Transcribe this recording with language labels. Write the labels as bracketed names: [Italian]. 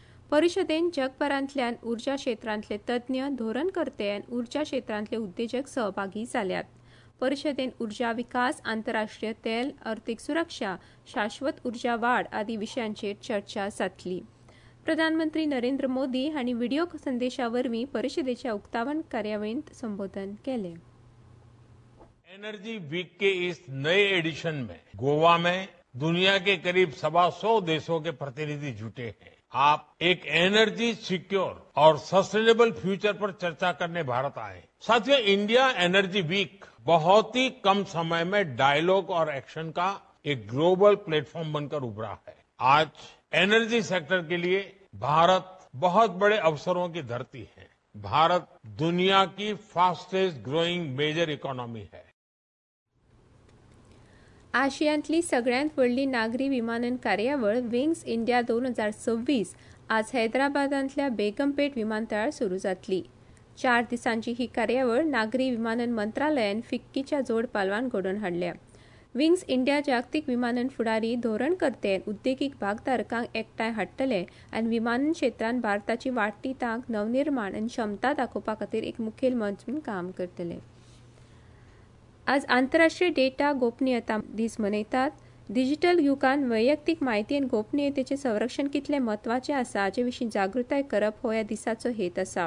[Goan Konkani] परिषदेन जगभरातल्यान उर्जा क्षेत्रातले तज्ज्ञ, धोरणकर्ते आणि उर्जा क्षेत्रातले उद्योजक सहभागी झाल्यात. परिषदेन उर्जा विकास, आंतरराष्ट्रीय तेल, आर्थिक सुरक्षा, शाश्वत उर्जा वाढ आदी विषयांचेर चर्चा जातली. प्रधानमंत्री नरेंद्र मोदी हांणी व्हिडिओ संदेशावरवीं परिषदेच्या उक्तावण कार्यावळींत संबोधन केले. [Hindi] एनर्जी वीक के इस नए एडिशन में गोवा में दुनिया के करीब 125 देशों के प्रतिनिधि जुटे हैं. आप एक एनर्जी सिक्योर और सस्टेनेबल फ्यूचर पर चर्चा करने भारत आए. साथियों, इंडिया एनर्जी वीक बहुत ही कम समय में डायलॉग और एक्शन का एक ग्लोबल प्लेटफॉर्म बनकर उभरा है. आज एनर्जी सेक्टर के लिए भारत बहुत बड़े अवसरों की धरती है. भारत दुनिया की फास्टेस्ट ग्रोइंग मेजर इकॉनॉमी है. [Goan Konkani] आशियातली सगळ्यांत व्हडली नागरी विमानन कार्यावळ विंग्स इंडिया 2026 आज हैदराबादांतल्या बेगमपेट विमानतळार सुरू जातली. 4 दिसांची ही कार्यावळ नागरी विमानन मंत्रालयान फिक्कीच्या जोड पालवान घडोवन हाडल्या. विंग्स इंडिया जागतिक विमानन फुडारी, धोरणकर्ते, उद्देगीक भागधारकांक एकठांय हाडटले आनी विमानन क्षेत्रांत भारताची वाडटी तांक, नवनिर्माण आनी क्षमता दाखोवपा खातीर एक मुखेल मंच म्हणून काम करतले. आज आंतरराष्ट्रीय डेटा गोपनियता दीस मनयतात. डिजिटल युगान वैयक्तीक माहिती आनी गोपनियतेचे संरक्षण कितले म्हत्वाचे आसा हाचे विशीं जागृताय करप हो या दिसाचो हेत आसा.